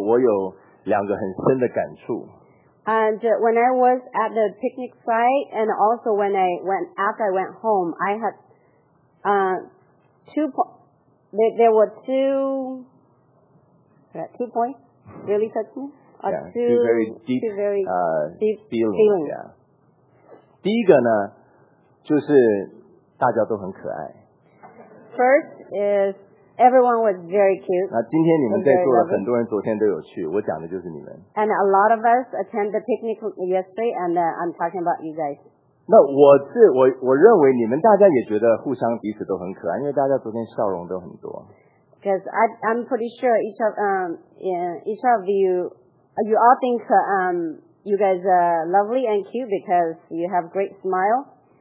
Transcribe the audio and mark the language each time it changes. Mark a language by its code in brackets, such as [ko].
[zh] 那我昨天在参加这个野餐的时候呢，当时并且包括回去以后，我有两个很深的感触。 [en] And when I was at the picnic site, and also when I went after I went home, I had two points really touched me. Two very deep feelings. [zh] Yeah.第一个呢，就是大家都很可爱。 [en] First is everyone was very cute. [zh] 那今天你们在座的很多人昨天都有去，我讲的就是你们。 [en] And a lot of us attended the picnic yesterday, and I'm talking about you guys. [zh] 那我认为你们大家也觉得互相彼此都很可爱，因为大家昨天笑容都很多。 [en] Because I'm pretty sure each of you all think you guys are lovely and cute because you have great smile.